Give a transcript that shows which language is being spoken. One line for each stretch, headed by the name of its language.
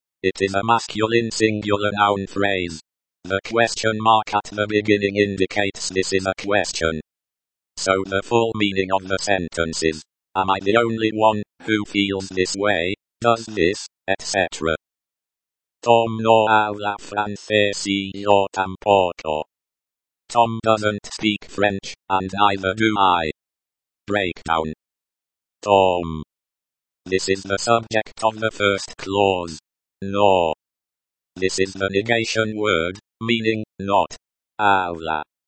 English: It is a masculine singular noun phrase. The question mark at the beginning indicates this is a question. So the full meaning of the sentence is, am I the only one who feels this way, does this, etc.
Spanish: Tom no habla francés y yo tampoco.
English: Tom doesn't speak French, and neither do I. Breakdown. Tom. This is the subject of the first clause. No. This is the negation word, meaning, not. Habla.